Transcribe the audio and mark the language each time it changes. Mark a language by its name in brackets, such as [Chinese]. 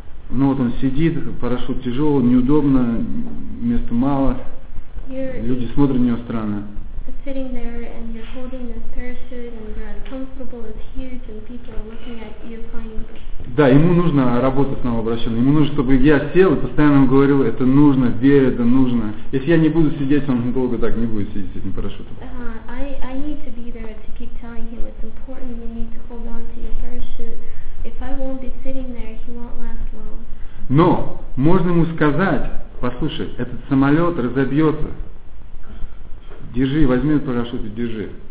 [Russian] Ну вот он сидит, парашют тяжелый, неудобно, места мало. Люди смотрят на него странно. [English] Sitting there and you're holding this parachute and you're uncomfortable, it's huge and people are looking at you funny. [Russian] Да, ему нужно работать с новообращенным. Ему нужно, чтобы я сел и постоянно ему говорил, это нужно, верь, это нужно. Если я не буду сидеть, он долго так не будет сидеть с этим парашютом. [English] I need to be there to keep telling him it's important, you need to hold on to your parachute. If I won't be sitting there, he won't last long. [Russian] Но можно ему сказать, послушай, этот самолет разобьется. Держи, возьми этот парашют и держи.